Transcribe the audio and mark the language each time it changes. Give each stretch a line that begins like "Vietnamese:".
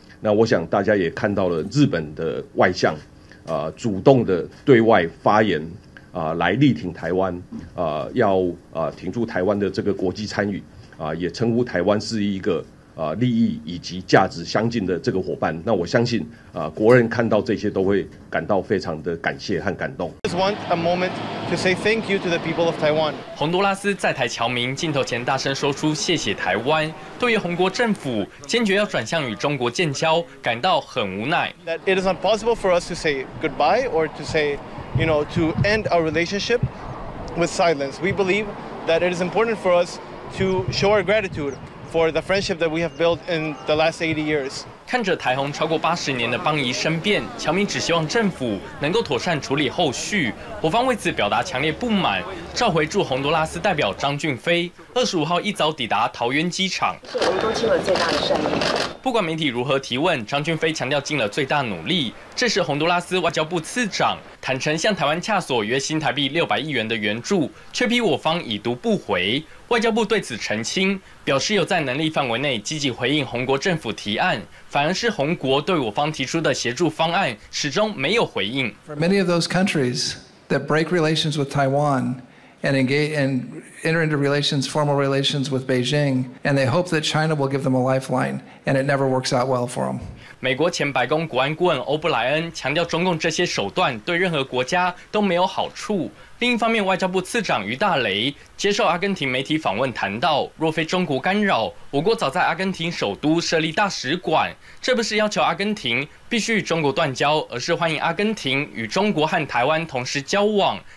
Chinese: 那我想大家也看到了日本的外相主动的对外发言来力挺台湾要挺住台湾的这个国际参与也称呼台湾是一个利益以及价值相近的这个伙伴。那我相信国人看到这些都会感到非常的感谢和感动。
English: Just want a moment to say thank you to the people of Taiwan.
Chinese: 洪都拉斯在台侨民镜头前大声说出谢谢台湾，对于洪国政府坚决要转向与中国建交感到很无奈。
English: That it is not possible for us to say goodbye or to say, you know, to end our relationship with silence. We believe that it is important for us to show our gratitude. For the friendship that we have built in the last 80 years.
Chinese: 看着台红超过80年的邦谊生变，侨民只希望政府能够妥善处理后续。我方为此表达强烈不满，召回驻洪都拉斯代表张俊飞25号一早抵达桃园机场。是我们都尽了最大的善意。不管媒体如何提问，张俊飞强调尽了最大努力。这时洪都拉斯外交部次长坦诚向台湾洽所约新台币600亿元的援助，却批我方已读不回。外交部对此澄清，表示有在能力范围内积极回应洪国政府提案，反而是洪国对我方提出的协助方案始终没有回应。
English: For many of those countries that break relations with Taiwan and engage and enter into relations, formal relations with Beijing, and they hope that China will give them a lifeline, and it never works out well for them.
Chinese: 美国前白宫国安顾问欧布莱恩强调，中共这些手段对任何国家都没有好处。另一方面，外交部次长于大雷接受阿根廷媒体访问谈到，若非中国干扰，我国早在阿根廷首都设立大使馆。这不是要求阿根廷必须与中国断交，而是欢迎阿根廷与中国和台湾同时交往。